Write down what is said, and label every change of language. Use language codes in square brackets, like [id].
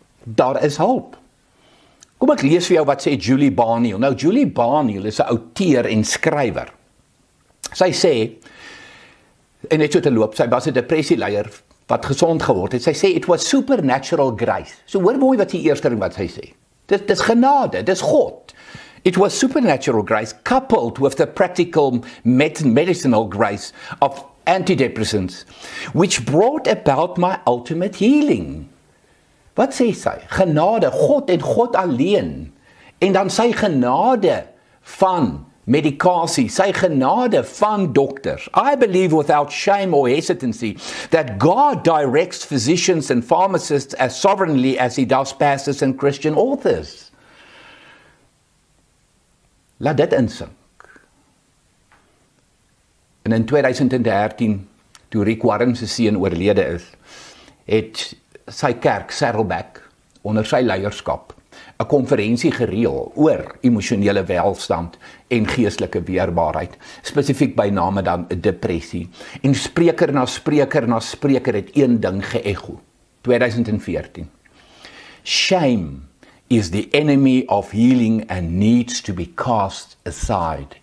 [af] Daar is hoop. Kom ek lees vir jou wat sê Julie Barneel. Nou Julie Barneel is 'n outeur en skrywer. Sy sê, en net so te loop, sy was 'n depressieleier wat gesond geword het. Sy sê, [en] it was supernatural grace. [af] So hoor mooi wat die eerste ding wat sy sê. Dis genade, dis God. [en] It was supernatural grace coupled with the practical medicinal grace of antidepressants, which brought about my ultimate healing. [af] Wat sê sy? Genade, God en God alleen. En dan sy genade van medikasie, sy genade van dokters. [en] I believe without shame or hesitancy that God directs physicians and pharmacists as sovereignly as he does pastors and Christian authors. [af] Laat dit insink. En in 2013, toe Rick Warren se seun oorlede is, het sy kerk Saddleback onder sy leierskap 'n konferensie gereël oor emosionele welstand en geestelike weerbaarheid, spesifiek by name dan depressie. En spreker na spreker na spreker het een ding geëcho. 2014. [en] Shame is the enemy of healing and needs to be cast aside.